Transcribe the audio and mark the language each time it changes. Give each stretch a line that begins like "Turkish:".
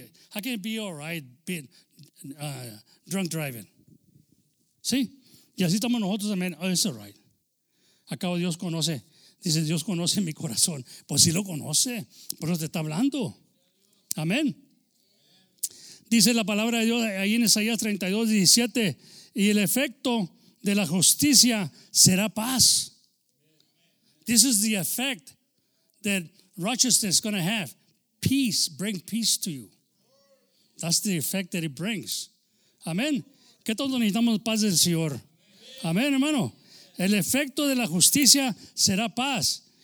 English: How can it be all right being drunk driving?
Spanish: ¿Sí? Y así estamos nosotros también,
English: oh, it's all right.
Spanish: Acabo Dios conoce, dice Dios conoce mi corazón. Pues sí lo conoce, por eso te está hablando. Amén. Dice la palabra de Dios ahí en Isaías 32:17, y el efecto de la justicia será paz.
English: This is the effect that righteousness is going to have. Peace, bring peace to you. That's the effect that it brings.
Spanish: Amén. Que todos necesitamos paz del Señor. Amén, hermano. El efecto de la justicia será paz.